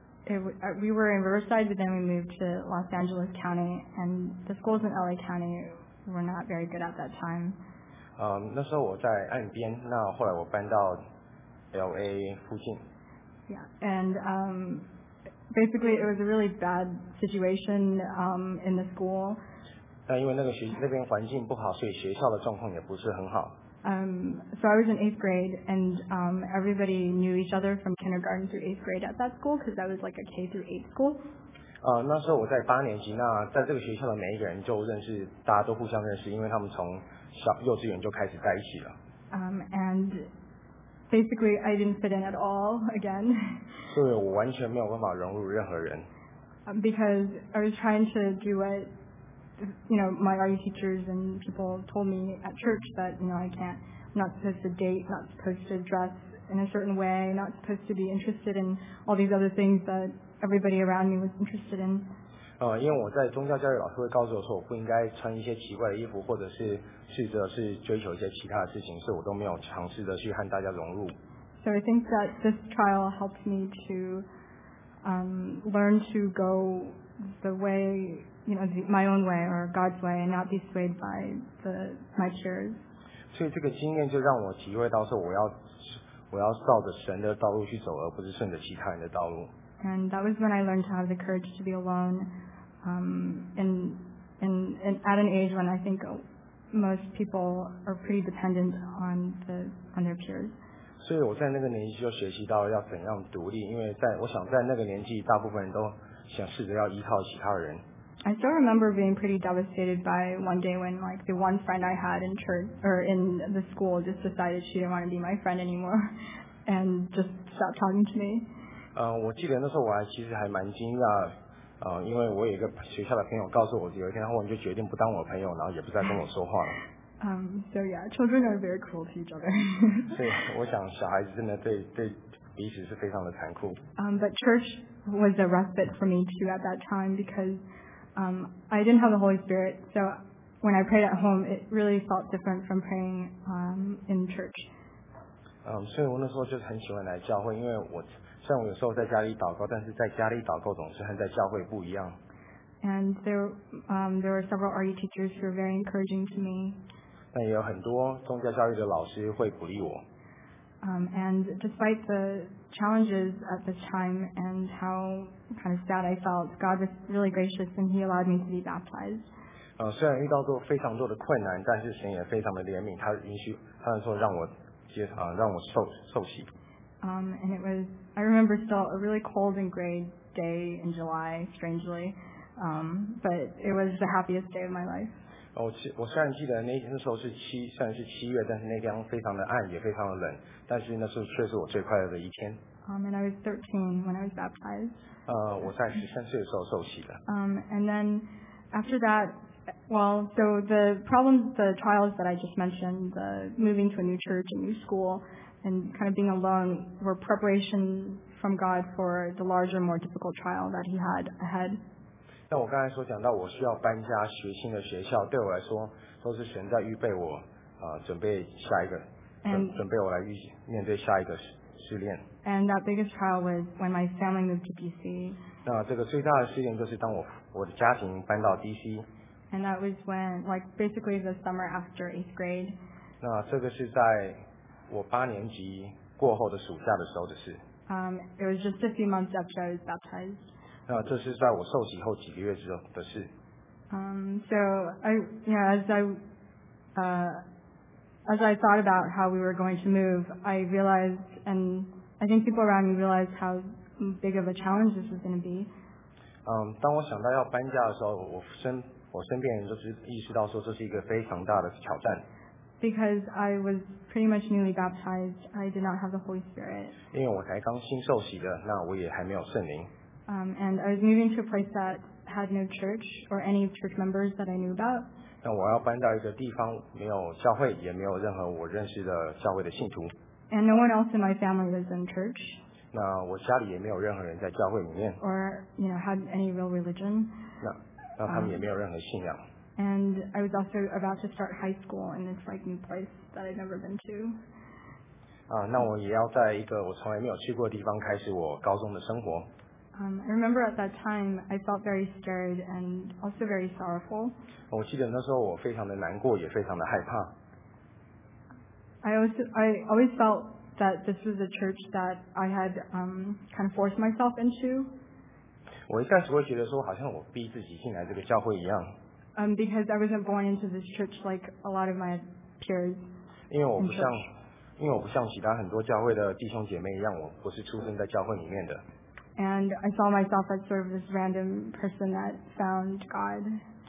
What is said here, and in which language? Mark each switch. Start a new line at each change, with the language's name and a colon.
English: We were in Riverside, but then we moved to Los Angeles County, and the schools in LA County were not very good at that time.
Chinese: 那时候我在岸边，那后来我搬到 LA 附近。
English: Yeah, and basically it was a really bad situation in the school.
Chinese: 那因为那边环境不好，所以学校的状况也不是很好。
English: So I was in eighth grade, and everybody knew each other from kindergarten through eighth grade at that school because that was like a K through eight school.
Chinese: 那时候我在八年级，那在这个学校的每一个人就认识，大家都互相认识，因为他们从幼稚园就开始在一起了。
English: And basically, I didn't fit in at all again.
Chinese: 所以我完全没有办法融入任何人。
English: Because I was trying to do it. You know, my RU teachers and people told me at church that, you know, I'm not supposed to date, not supposed to dress in a certain way, not supposed to be interested in all these other things that everybody around me was interested in.
Chinese: 因为我在宗教教育老师会告诉我说我不应该穿一些奇怪的衣服或者是试着去追求一些其他的事情，所以我都没有尝试的去和大家融入。
English: So I think that this trial helped me to learn to go the way... You know, my own way or God's way, and not be swayed by my peers.
Chinese: 所以这个经验就让我体会到说，我要我要照着神的道路去走，而不是顺着其他人的道路。
English: And that was when I learned to have the courage to be alone. At an age when I think most people are pretty dependent on their peers.
Chinese: 所以我在那个年纪就学习到要怎样独立，因为在我想在那个年纪，大部分人都想试着要依靠其他人。
English: I still remember being pretty devastated by one day when, like, the one friend I had in church or in the school just decided she didn't want to be my friend anymore and just stopped talking to me.
Chinese: 我记得那时候我还其实还蛮惊讶，因为我有一个学校的朋友告诉我，有一天他忽然就决定不当我朋友，然后也不再跟我说话了。
English: So yeah, children are very cruel to each other.
Chinese: 所以我想小孩子真的对彼此是非常的残酷。
English: But church was a respite for me too at that time because. I didn't have the Holy Spirit, so when I prayed at home, it really felt different from praying in church.
Chinese: 所以我那时候就很喜欢来教会，因为我虽然我有时候在家里祷告，但是在家里祷告总是和在教会不一样。
English: And there were several RE teachers who were very encouraging to me.
Chinese: 但也有很多宗教教育的老师会鼓励我。
English: And despite the challenges at this time and how kind of sad I felt, God was really gracious and He allowed me to be baptized.
Chinese: 虽然遇到过非常多的困难，但是神也非常的怜悯，他允许，他说让我接啊，让我受洗。
English: And it was, I remember still a really cold and gray day in July, strangely, but it was the happiest day of my life.
Chinese: 我虽然记得那天的时候是七，虽然是七月，但是那天非常的暗，也非常的冷，但是那是却是我最快乐的一天。
English: And I was 13 when I was baptized.
Chinese: 我在13岁的时候受洗的。
English: And then after that, well, so the problems, the trials that I just mentioned, the moving to a new church, a new school, and kind of being alone were preparation from God for the larger, more difficult trial that He had ahead.
Chinese: 那我刚才所讲到我需要搬家学新的学校，对我来说都是神在预备我，准备下一个，准备我来面对下一个试炼。
English: And that biggest trial was when my family moved to DC.
Chinese: 那这个最大的试炼就是当我的家庭搬到 DC.
English: And that was when, like, basically the summer after eighth grade.
Chinese: 那这个是在我八年级过后的暑假的时候的事。
English: It was just a few months after I was baptized.
Chinese: 那这是在我受洗后几个月之后的事。
English: So as I thought about how we were going to move, I realized andI think people around me realized how big of a challenge this was going to be.
Chinese: 当我想到要搬家的时候，我身边人就是意识到说这是一个非常大的挑战。
English: Because I was pretty much newly baptized, I did not have the Holy Spirit.
Chinese: 因为我才刚新受洗的，那我也还没有圣灵。
English: And I was moving to a place that had no church or any church members that I knew about.
Chinese: 那我要搬到一个地方，没有教会，也没有任何我认识的教会的信徒。
English: And no one else in my family was in church.
Chinese: 那我家里也没有任何人在教会里面。
English: Or, you know, had any real religion.
Chinese: 那他们也没有任何信仰。
English: And I was also about to start high school in this like new place that I'd never been to.
Chinese: 那我也要在一个我从来没有去过的地方开始我高中的生活。
English: I remember at that time I felt very scared and also very sorrowful.
Chinese: 我记得那时候我非常的难过，也非常的害怕。
English: I always felt that this was a church that I had kind of forced myself into.
Chinese: 我一开始会觉得说，好像我逼自己进来这个教会一样。
English: Because I wasn't born into this church like a lot of my peers.
Chinese: 因为我不像其他很多教会的弟兄姐妹一样，我不是出生在教会里面的。
English: And I saw myself as sort of this random person that found God.